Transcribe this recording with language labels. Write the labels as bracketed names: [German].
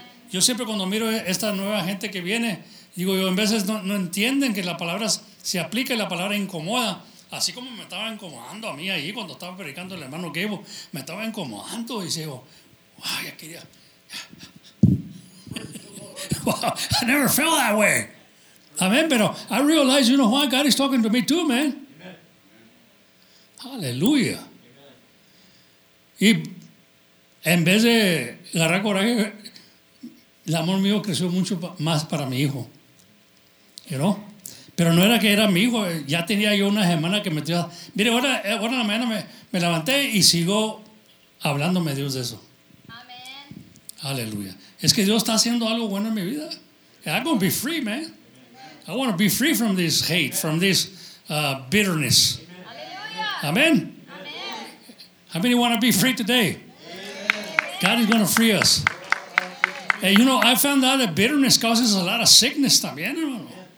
[Spanish] Yo siempre cuando miro esta nueva gente que viene, digo yo, en veces no entienden que la palabra se aplica y la palabra incomoda. Así como me estaba incomodando a mí ahí cuando estaba predicando el hermano Gabo, me estaba incomodando y digo, wow, ya quería. [English] Wow, I never felt that way. [Spanish] Amén, pero [English] I realize, you know why God is talking to me too, man. [Spanish] Aleluya. Y en vez de agarrar coraje, el amor mío creció mucho más para mi hijo, [English] you know? [Spanish] Pero no era que era mi hijo, ya tenía yo una semana que metía. Mire, ahora en la mañana me levanté y sigo hablándome Dios de eso. Amén. Aleluya. Es que Dios está haciendo algo bueno en mi vida. [English] I'm going to be free, man. Amen. I want to be free from this hate, amen, from this bitterness. [Spanish] Amén. [English] Amen. How many want to be free today? Amen. God is going to free us. Hey, you know, I found out that bitterness causes a lot of sickness [Spanish] también, hermano.